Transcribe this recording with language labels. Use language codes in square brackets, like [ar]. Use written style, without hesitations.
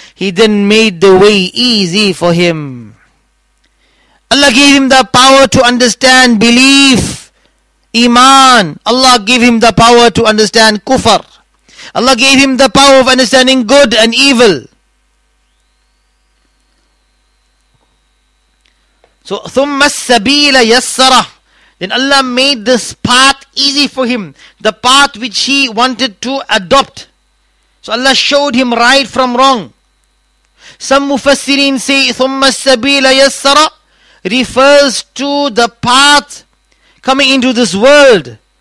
[en] He then made the way easy for him. Allah gave him the power to understand belief, iman. Allah gave him the power to understand kufr. Allah gave him the power of understanding good and evil. [ar] So, ثُمَّ السَّبِيلَ يَسَّرَ. [en] Then Allah made this path easy for him. The path which he wanted to adopt. So Allah showed him right from wrong. Some mufassirin say, [ar] ثُمَّ السَّبِيلَ يَسَّرَ [en] refers to the path coming into this world.